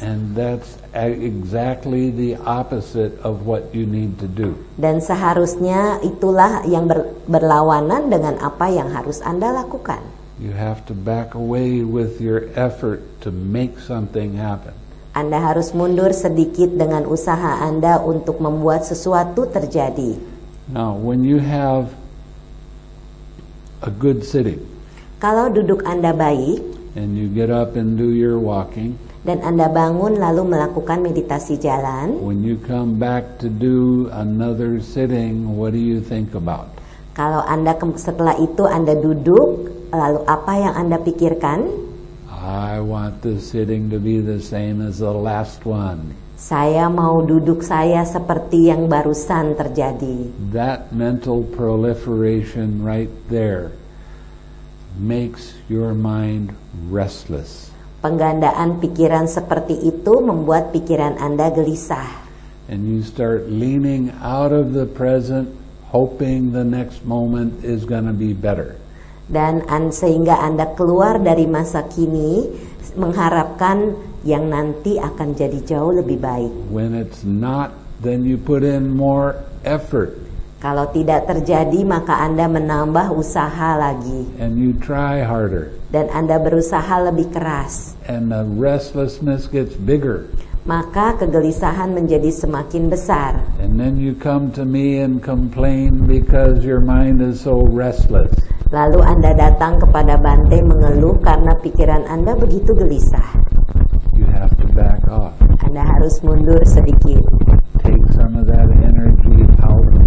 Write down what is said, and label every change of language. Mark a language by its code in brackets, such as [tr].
[en] And that's exactly the opposite of what you need to do. [id] Dan seharusnya itulah yang berlawanan dengan apa yang harus Anda lakukan. [en] You have to back away with your effort to make something happen. [id] Anda harus mundur sedikit dengan usaha Anda untuk membuat sesuatu terjadi. [en] Now, when you have a good sitting, [id] kalau duduk Anda baik, [en] and you get up and do your walking, [id] dan Anda bangun lalu melakukan meditasi jalan, [en] when you come back to do another sitting, what do you think about? [id] Kalau Anda setelah itu Anda duduk, lalu apa yang Anda pikirkan? [en] I want this sitting to be the same as the last one. [id] Saya mau duduk saya seperti yang barusan terjadi. [en] That mental proliferation right there makes your mind restless. [id] Penggandaan pikiran seperti itu membuat pikiran Anda gelisah. [en] And you start leaning out of the present, hoping the next moment is going to be better. [id] Dan sehingga Anda keluar dari masa kini mengharapkan yang nanti akan jadi jauh lebih baik. [en] When it's not, then you put in more effort. [id] Kalau tidak terjadi, maka Anda menambah usaha lagi. [en] And you try harder. [id] Dan Anda berusaha lebih keras. [en] And the restlessness gets bigger. [id] Maka kegelisahan menjadi semakin besar. [en] And then you come to me and complain because your mind is so restless. [id] Lalu Anda datang kepada Bante mengeluh karena pikiran Anda begitu gelisah. [en] You have to back off. [id] Anda harus mundur sedikit. [en] Take some of that energy out